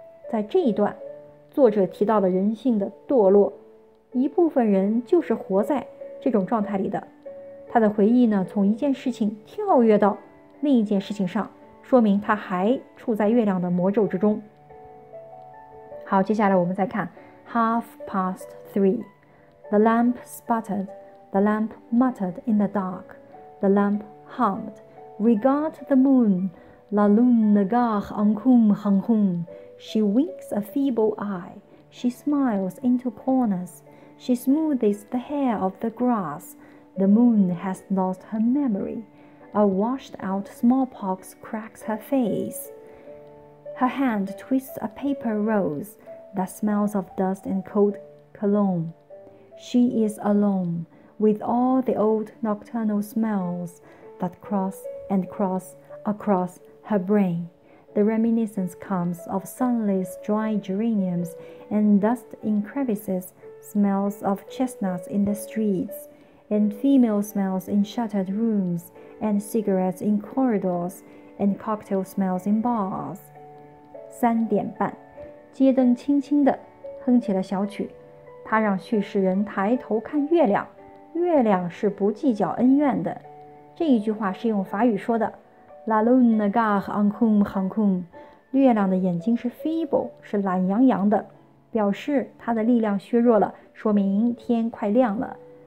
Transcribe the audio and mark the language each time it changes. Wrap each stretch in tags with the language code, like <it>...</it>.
<zh>在这一段，作者提到了人性的堕落，一部分人就是活在这种状态里的。他的回忆呢，从一件事情跳跃到另一件事情上，说明他还处在月亮的魔咒之中。好，接下来我们再看</zh> <en>，half past three, the lamp sputtered, the lamp muttered in the dark, the lamp hummed, regard the moon,</en> <fr>la lune gare en cum hum hum,</fr> <en>she winks a feeble eye, she smiles into corners, she smoothes the hair of the grass, the moon has lost her memory, a washed out smallpox cracks her face, her hand twists a paper rose. That smells of dust and cold cologne. She is alone with all the old nocturnal smells that cross and cross across her brain. The reminiscence comes of sunless dry geraniums and dust in crevices, smells of chestnuts in the streets, and female smells in shuttered rooms, and cigarettes in corridors, and cocktail smells in bars.</en> <zh>3:30街灯轻轻地哼起了小曲，它让叙事人抬头看月亮，月亮是不计较恩怨的。这一句话是用法语说的</zh> <fr>La lune gare en cum hum hum，</fr> <zh>月亮的眼睛是 feeble， 是懒洋洋的，表示它的力量削弱了，说明天快亮了。</zh>